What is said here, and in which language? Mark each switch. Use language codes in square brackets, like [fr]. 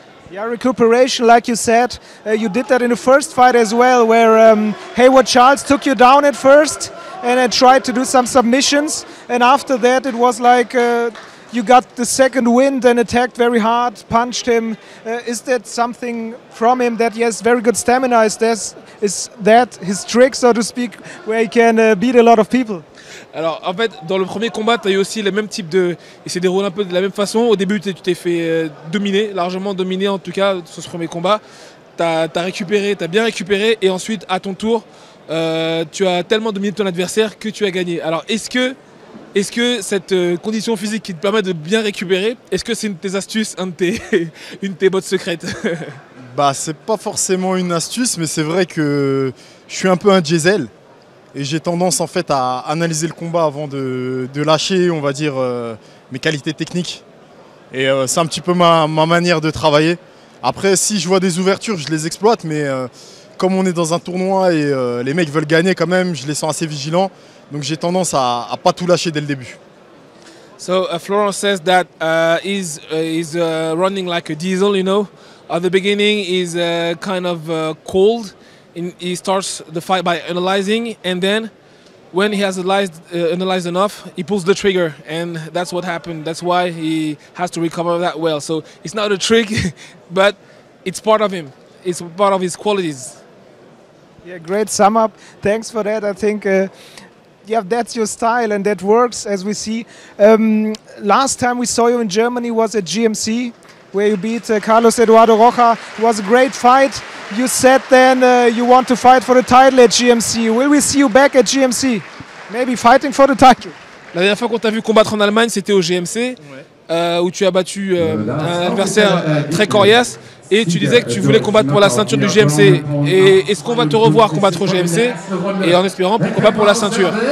[en] Yeah, recuperation, like you said, you did that in the first fight as well, where Hayward Charles took you down at first and tried to do some submissions. And after that, it was like you got the second wind and attacked very hard, punched him. Is that something from him that he has very good stamina? Is that his trick, so to speak, where he can beat a lot of people? [fr] Alors, en fait, dans le premier combat, tu as eu aussi le même type de... Il s'est déroulé un peu de la même façon. Au début, tu t'es fait dominer, largement dominer en tout cas, sur ce premier combat. Tu as bien récupéré. Et ensuite, à ton tour, tu as tellement dominé ton adversaire que tu as gagné. Alors, est-ce que cette condition physique qui te permet de bien récupérer, est-ce que c'est une de tes astuces, une de tes bottes secrètes? C'est pas forcément une astuce, mais c'est vrai que je suis un peu un diesel. Et j'ai tendance en fait à analyser le combat avant de lâcher, on va dire, mes qualités techniques. Et c'est un petit peu ma manière de travailler. Après, si je vois des ouvertures, je les exploite. Mais comme on est dans un tournoi et les mecs veulent gagner quand même, je les sens assez vigilants. Donc j'ai tendance à pas tout lâcher dès le début. [en] So Florent says that he's running like a diesel, you know. At the beginning, he's kind of cold. He starts the fight by analyzing, and then when he has analyzed enough, he pulls the trigger, and that's what happened. That's why he has to recover that well. So it's not a trick, but it's part of him. It's part of his qualities. Yeah, great sum up. Thanks for that. I think that's your style, and that works, as we see. Last time we saw you in Germany was at GMC, where you beat Carlos Eduardo Rocha. It was a great fight. You said then you want to fight for the title at GMC. Will we see you back at GMC? Maybe fighting for the title. [fr] La dernière fois qu'on t'a vu combattre en Allemagne, c'était au GMC, où tu as battu un adversaire très coriace. Et tu disais que tu voulais combattre pour la ceinture du GMC. Et est-ce qu'on va te revoir combattre au GMC? Et en espérant, pourquoi pas pour la ceinture?